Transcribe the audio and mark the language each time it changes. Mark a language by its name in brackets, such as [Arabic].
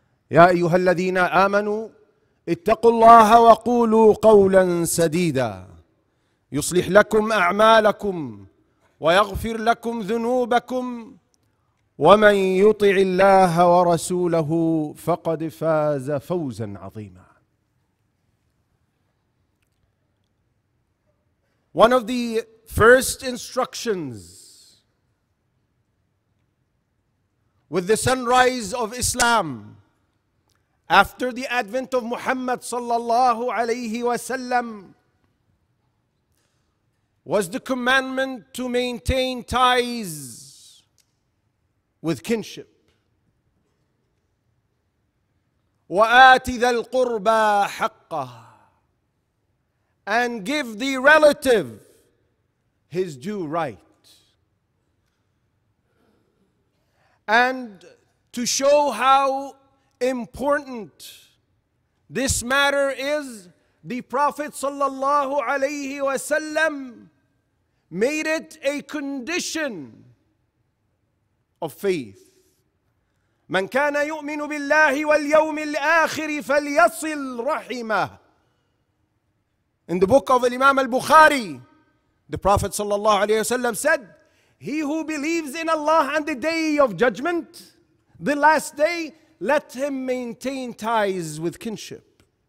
[Arabic] يا أيها الذين آمنوا اتقوا الله وقولوا قولا سديدا يصلح لكم أعمالكم ويغفر لكم ذنوبكم ومن يطع الله ورسوله فقد فاز فوزا عظيما. [English] One of the first instructions with the sunrise of Islam after the advent of Muhammad صلى الله عليه وسلم was the commandment to maintain ties with kinship. [Arabic] وَآتِ ذَا الْقُرْبَى حَقَّهَ [English] and give the relative his due right. And to show how important this matter is, the Prophet صلى الله عليه وسلم made it a condition of faith. [Arabic] من كان يؤمن بالله واليوم الآخر فليصل رحمه. [English] In the book of Imam al-Bukhari, the Prophet صلى الله عليه وسلم said, he who believes in Allah and the day of judgment, the last day, let him maintain ties with kinship.